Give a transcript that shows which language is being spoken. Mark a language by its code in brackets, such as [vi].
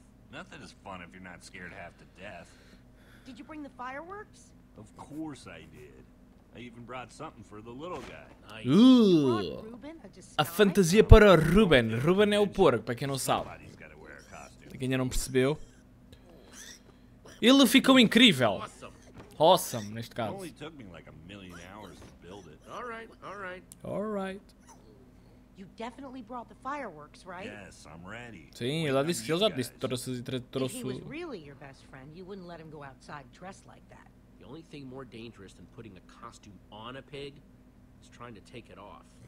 [en] Nothing is fun if you're not scared half to death. Did you bring the fireworks? Of course I did. I even brought something for the little guy. [pt] A fantasia para Ruben. Ruben é o porco, para quem não sabe. Para quem ainda não percebeu. Ele ficou incrível! Awesome, neste caso. [en] Only took me like a million hours to build it. All right, all right. All right. You definitely brought the fireworks, right? Yes, I'm ready. [pt] Sim, ele já disse que ele já disse trouxe e trouxe. [en] If he was really your best friend, you wouldn't let him go outside dressed like that. The only thing more dangerous than putting a costume on a pig is trying to take it off.